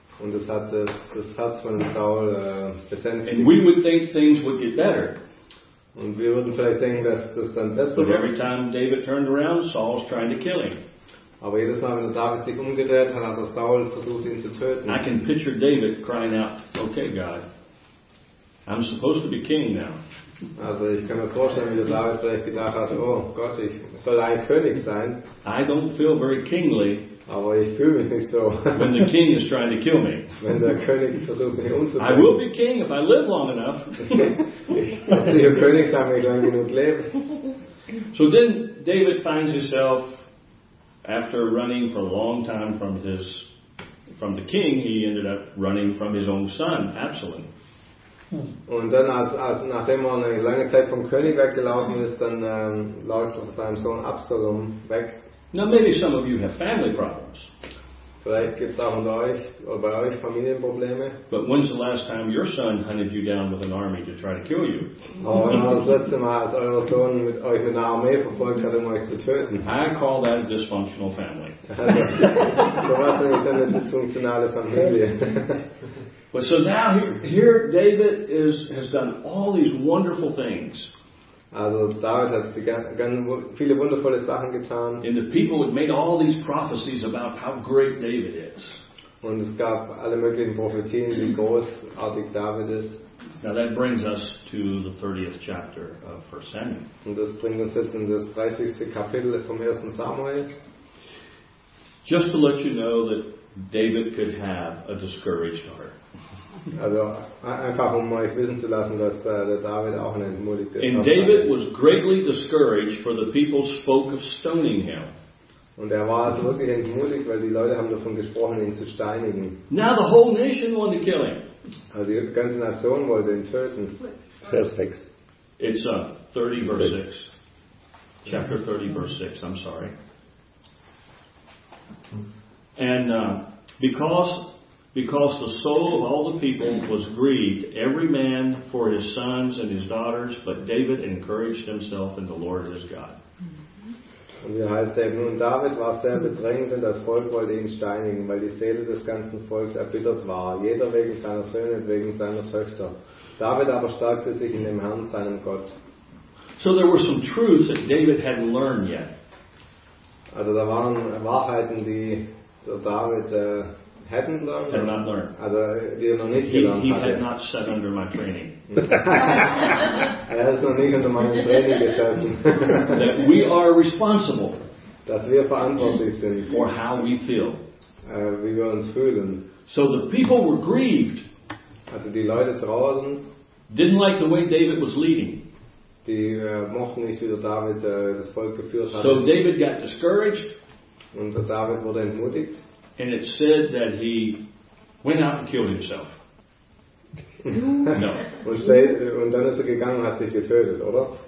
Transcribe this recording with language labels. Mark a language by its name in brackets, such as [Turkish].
[German] Und es hat das Herz von Saul besänftigt. [English] And we would think things would get better. [German] Und wir würden vielleicht denken, dass das dann besser wird. [English] Every time David turned around, Saul's trying to kill him. [German] Aber jedes Mal, wenn David sich umgedreht hat, hat Saul versucht, ihn zu töten. [English] I can picture David crying out, "Okay, God, I'm supposed to be king now." [German] Also ich kann mir vorstellen, wie David vielleicht gedacht hat, oh Gott, ich soll ein König sein. [English] I don't feel very kingly. [German] Aber ich fühle mich nicht so. [English] When the king is trying to kill me. [German] Wenn der König versucht, mich umzubringen. [English] I will be king if I live long enough. [German] Ich will König sein, wenn ich lang genug lebe. [English] So then David finds himself, after running for a long time from his, from the king, he ended up running from his own son, Absalom. [German] Und dann, als nachdem er eine lange Zeit vom König weggelaufen ist, dann läuft auch sein Sohn Absalom weg. [English] Now maybe some of you have family problems. [German] Vielleicht gibt's auch unter euch oder bei euch Familienprobleme. [English] But when's the last time your son hunted you down with an army to try to kill you? [German] Oh, wenn das letzte Mal, als euer Sohn mit euch mit einer Armee verfolgt hat, um euch zu töten. [English] I call that a dysfunctional family. [German] So was nenne ich eine dysfunktionale Familie. [English] But so now here David has done all these wonderful things. [German] Also David hat viele wundervolle Sachen getan. [English] And the people had made all these prophecies about how great David is. [German] Und es gab alle möglichen Prophetien, wie großartig David ist. [English] Now that brings us to the 30th chapter of 1 Samuel. [German] Und das bringt uns jetzt in das 30. Kapitel vom 1. Samuel. [English] Just to let you know that David could have a discouraged heart. [German] Also einfach um euch wissen zu lassen, dass der David auch ein entmutigtes Herz hat. [English] And David was greatly discouraged, for the people spoke of stoning him. [German] Und er war also wirklich entmutigt, weil die Leute haben davon gesprochen, ihn zu steinigen. [English] Now the whole nation wanted to kill him. [German] Also die ganze Nation wollte ihn töten. Vers 6. [English] It's 30 verse 6. Chapter 30 verse 6. I'm sorry. And because the soul of all the people was grieved, every man for his sons and his daughters, but David encouraged himself in the Lord his God. [German] Und hier heißt er, nun David war sehr bedrängt, denn das Volk wollte ihn steinigen, weil die Seele des ganzen Volks erbittert war, jeder wegen seiner Söhne und wegen seiner Töchter. David aber stärkte sich in dem Herrn, seinem Gott. [English] So there were some truths that David hadn't learned yet. [German] Also da waren Wahrheiten, die David [English] hadn't learned. Had not learned. [German] Also die er noch nicht gelernt hatte. [English] He had not sat under my training. [German] Er ist noch nicht unter meinem Training gesessen. [English] That we are responsible. [German] Dass wir verantwortlich sind. [English] For how we feel. [German] Wie wir uns fühlen. [English] So the people were grieved. [German] Also die Leute trauerten. [English] Didn't like the way David was leading. [German] Die mochten nicht, wie der David das Volk geführt hat. [English] So David got discouraged. [German] Und der David wurde entmutigt. [English] And it said that he went out and killed himself. No. [German] Und dann ist er gegangen und hat sich getötet, oder?